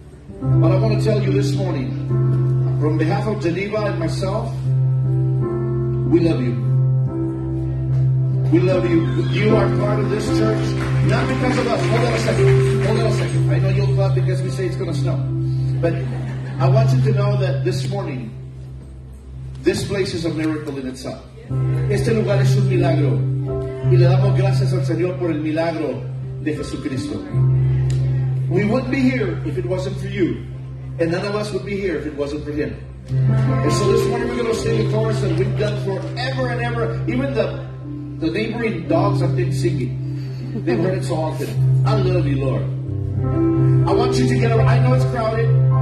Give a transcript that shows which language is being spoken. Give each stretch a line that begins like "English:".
English: But I want to tell you this morning, from behalf of Geneva and myself, we love you. We love you. You are part of this church, not because of us. Hold on a second. I know you'll clap because we say it's going to snow. But I want you to know that this morning, this place is a miracle in itself.
Spanish: Este lugar es un milagro. Y le damos gracias al Señor por el milagro de Jesucristo.
English: We wouldn't be here if it wasn't for you. And none of us would be here if it wasn't for Him. And so this morning we're going to sing a chorus that we've done forever and ever. Even the neighboring dogs have been singing. They've heard it so often. I love you, Lord. I want you to get around. I know it's crowded.